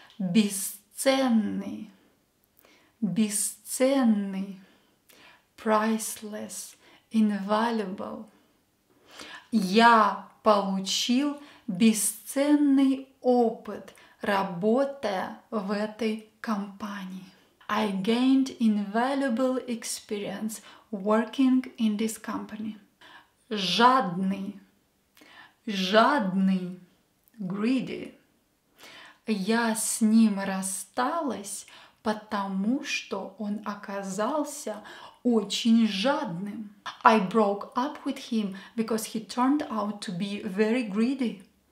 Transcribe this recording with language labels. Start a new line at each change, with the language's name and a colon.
Russian: Бесценный. Бесценный.
English: Priceless. Invaluable.
Russian: Я получил бесценный опыт, работая в этой компании.
English: I gained invaluable experience working in this company.
Russian: Жадный. Жадный.
English: Greedy.
Russian: Я с ним рассталась, потому что он оказался очень жадным.
English: I broke up with him because he turned out to be very greedy.